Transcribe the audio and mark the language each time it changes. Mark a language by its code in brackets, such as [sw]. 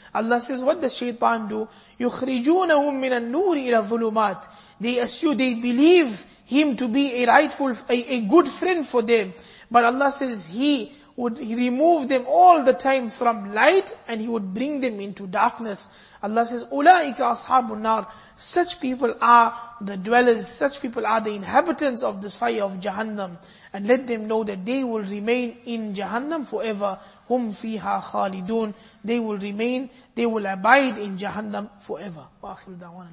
[en] Allah says, what does Shaitan do? [ar] يُخْرِجُونَهُم مِّنَ النُّورِ إِلَى الظُّلُمَاتِ. [en] They believe him to be a good friend for them. But Allah says he would remove them all the time from light and he would bring them into darkness. [ar] Allah says, أُولَٰئِكَ أَصْحَابُ النَّارِ. [en] Such people are the dwellers, such people are the inhabitants of this fire of Jahannam. And let them know that they will remain in Jahannam forever. [ar] هُمْ فِيهَا خَالِدُونَ. [en] They will remain, they will abide in Jahannam forever. [ar] وَآخِرُ دَعْوَانَ.